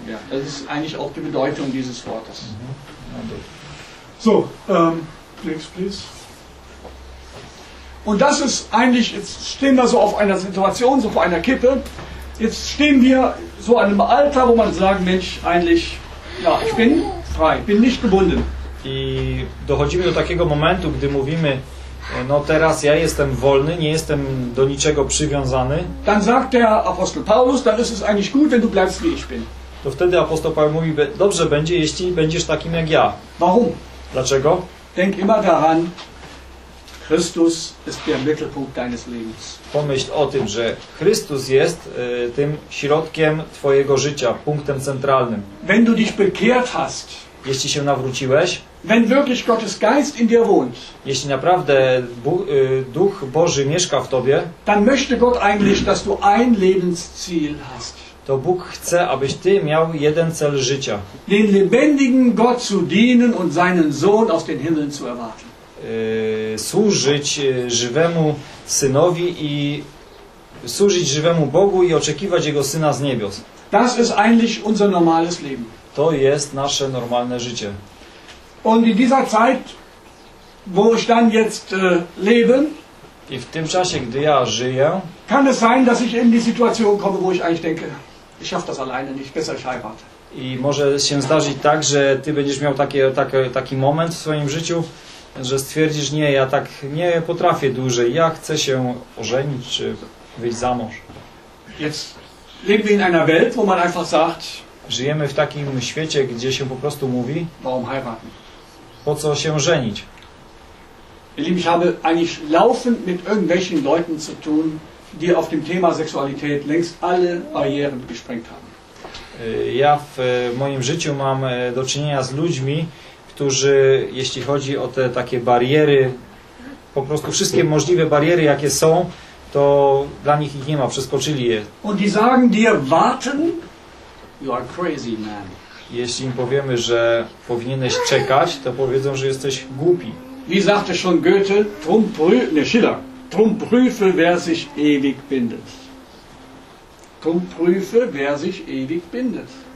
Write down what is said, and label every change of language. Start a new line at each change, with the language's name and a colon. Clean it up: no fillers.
Polish: To jest
German: eigentlich auch die Bedeutung dieses Wortes. So,
English: next please.
German: Und das ist eigentlich, jetzt stehen wir so auf einer Situation, so vor einer Kippe. Jetzt stehen wir so an einem Alter, wo man sagt, Mensch, eigentlich, ja, ich bin frei, bin nicht gebunden.
Polish: I dochodzimy do takiego momentu, gdy mówimy, no teraz ja jestem wolny, nie jestem do niczego przywiązany.
German: Dann sagt der Apostel Paulus, dann ist es eigentlich gut, wenn du bleibst wie ich bin.
Polish: To wtedy apostoł Paweł mówi, dobrze będzie, jeśli będziesz takim jak ja.
German: Warum?
Polish: Dlaczego?
German: Denk immer daran, Christus ist der Mittelpunkt deines Lebens.
Polish: Pomyśl o tym, że Chrystus jest tym środkiem twojego życia, punktem centralnym.
German: Wenn du dich bekehrt hast,
Polish: jeśli się nawróciłeś,
German: wenn wirklich Gottes Geist in dir wohnt,
Polish: jeśli naprawdę Duch Boży mieszka w tobie,
German: dann möchte Gott eigentlich, dass du ein Lebensziel hast.
Polish: To Bóg chce, abyś ty miał jeden cel życia.
German: Den lebendigen Gott zu dienen und seinen Sohn aus den Himmeln zu erwarten.
Polish: Służyć żywemu Synowi i służyć żywemu Bogu i oczekiwać Jego Syna z niebios.
German: Das ist eigentlich unser normales Leben.
Polish: To jest nasze normalne życie.
German: Und in dieser Zeit, wo ich dann jetzt lebe,
Polish: i w tym czasie, gdy ja żyję,
German: kann es sein, dass ich in die Situation komme, wo ich eigentlich denke, ich schaffe das alleine nicht, besser ich heirate.
Polish: I może się zdarzyć tak, że ty będziesz miał taki moment w swoim życiu, że stwierdzisz, nie, ja tak nie potrafię dłużej, ja chcę się ożenić czy wyjść za mąż.
German: Jetzt leben wir in einer Welt, wo man einfach sagt,
Polish: żyjemy w takim świecie, gdzie się po prostu mówi,
German: warum heiraten?
Polish: Po co się żenić?
German: Ich habe eigentlich laufend mit irgendwelchen Leuten zu tun, die auf dem Thema Sexualität längst alle Barrieren gesprengt haben.
Polish: Ja w moim życiu mam do czynienia z ludźmi, którzy, jeśli chodzi o te takie bariery, po prostu wszystkie możliwe bariery, jakie są, to dla nich ich nie ma, przeskoczyli je.
German: Und die sagen dir, warten,
English: you are crazy man.
Polish: Jeśli im powiemy, że powinieneś czekać, to powiedzą, że jesteś głupi.
German: Wie sagte schon Goethe, drum prüfe, wer sich ewig bindet. Drum prüfe, wer sich ewig bindet.